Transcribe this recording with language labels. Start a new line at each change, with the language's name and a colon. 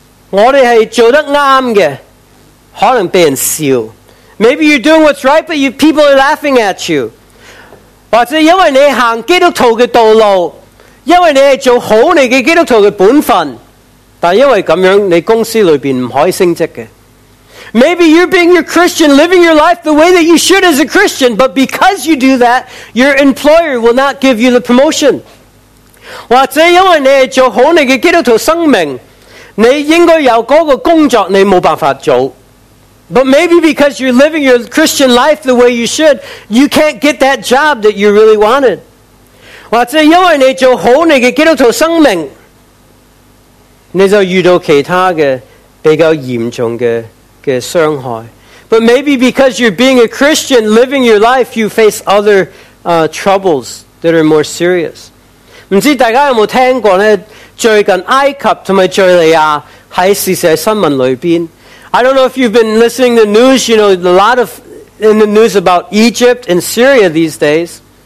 Chinese: 我们是做得啱的，可能被人笑。
English: Maybe you're doing what's right, but people are laughing at you.
Chinese: 或者因为你行基督徒的道路，因为你是做好你的基督徒的本分，但因为这样，你公司里面不可以升职的。
English: Maybe you're being your Christian, living your life the way that you should as a Christian, but because you do that, your employer will not give you the promotion.
Chinese: 或者因为你是做好你的基督徒生命，你应该有那个工作你没办法做。
English: But maybe because you're living your Christian life the way you should, you can't get that job that you really wanted.
Chinese: 或者因为你做好你的基督徒生命，你就遇到其他的比较严重的伤害。
English: But maybe because you're being a Christian, living your life, you face other troubles that are more serious.
Chinese: 不知道大家有没有听过呢，最近埃及和叙利亚在时事新闻里边。
English: I don't know if you've been listening to the news, you know, a lot of in the news about Egypt and Syria these days.